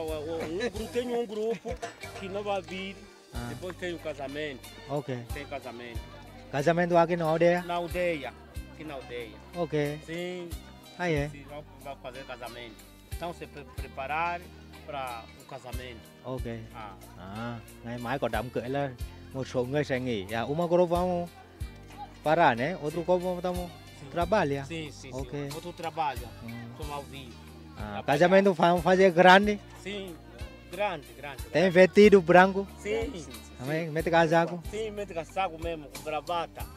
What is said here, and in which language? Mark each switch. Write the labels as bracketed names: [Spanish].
[Portuguese] Um tenho um grupo que não vai vir, depois tem o casamento. Ok. Tem casamento. Casamento aqui na aldeia? Na aldeia. Aqui na aldeia. Ok. Sim. Aí é. Vai fazer casamento. Então se preparar para o casamento. Ok. Ah. Ah. [Vietnamese] Ngày mai có đám cưới là một số người sẽ nghỉ. [Portuguese] À, um grupo vamos parar, né? Outro grupo vamos trabalhar. Sim, sim. Ok. Sim. Outro trabalho. Como ao vivo. Ah, casamento fazer grande? Sim, grande. Tem vestido branco? Sim. Também? Mete casaco? Sim, mete casaco mesmo, com gravata.